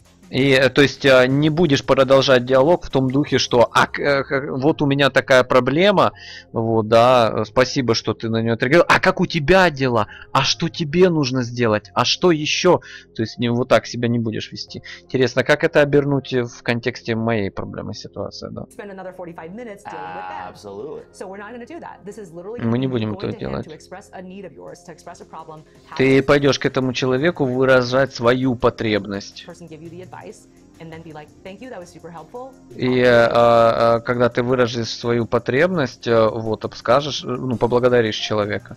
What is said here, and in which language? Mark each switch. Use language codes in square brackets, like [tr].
[ru] И, то есть, не будешь продолжать диалог в том духе, что вот у меня такая проблема, вот, да, спасибо, что ты на нее отреагировал. А как у тебя дела? А что тебе нужно сделать? А что еще? То есть, не вот так себя не будешь вести. Интересно, как это обернуть в контексте моей проблемы, ситуации, да? [en] let's deal with that. Absolutely. So we're not going to do that. This is literally going to him to express a need of yours, to express a problem. [ru] Ты пойдешь к этому человеку выражать свою потребность. [en] And then be like, thank you, that was super helpful. [ru] И когда ты выразишь свою потребность, вот, скажешь, ну, поблагодаришь человека.